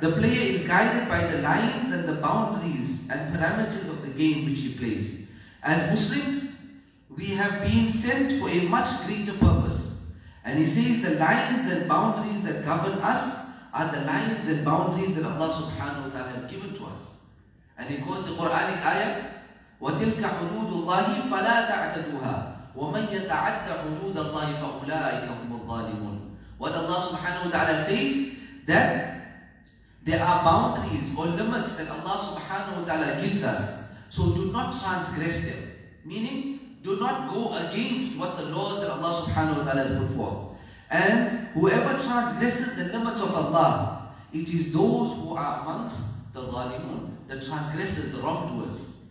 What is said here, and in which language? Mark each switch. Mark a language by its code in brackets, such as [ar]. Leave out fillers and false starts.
[en] The player is guided by the lines and the boundaries and parameters of the game which he plays. As Muslims, we have been sent for a much greater purpose. And he says the lines and boundaries that govern us are the lines and boundaries that Allah subhanahu wa ta'ala has given to us. And he quotes the Quranic ayah, [ar] وَتِلْكَ حُدُودُ اللَّهِ فَلَا تَعْتَدُوهَا وَمَنْ يَتَعَدَّ حُدُودَ اللَّهِ فَأُولَٰئِكَ هُمُ الظَّالِمُونَ. [en] What Allah subhanahu wa ta'ala says, that there are boundaries or limits that Allah subhanahu wa ta'ala gives us. So do not transgress them. Meaning, do not go against what the laws that Allah subhanahu wa ta'ala has put forth. And whoever transgresses the limits of Allah, it is those who are amongst the zalimun, the transgressors, the wrongdoers.